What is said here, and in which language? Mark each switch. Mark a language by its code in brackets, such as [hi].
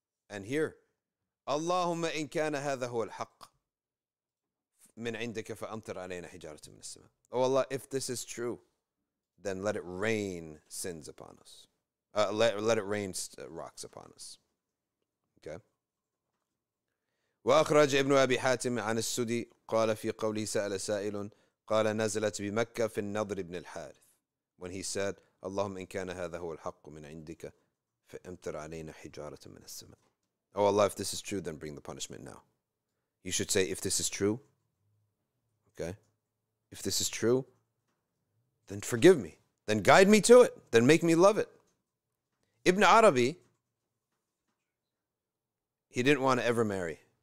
[en] And here, Allahumma in kana hadha huwa al-haq min indika fa'amtir alayna hijaratun min as-sama. Oh Allah, if this is true, then let it rain sins upon us. Let it rain rocks upon us. Okay. [ar] وأخرج ابن أبي حاتم عن السدي قال في قوله سأل سائل قال نزلت بمكة في النضر بن الحارث. [en] When he said, [ar] اللهم إن كان هذا هو الحق من عندك فأمطر علينا حجارة من السماء. [en] Oh Allah, if this is true, then bring the punishment now. You should say, if this is true, okay, if this is true, then forgive me, then guide me to it, then make me love it. Ibn Arabi, he didn't want to ever marry.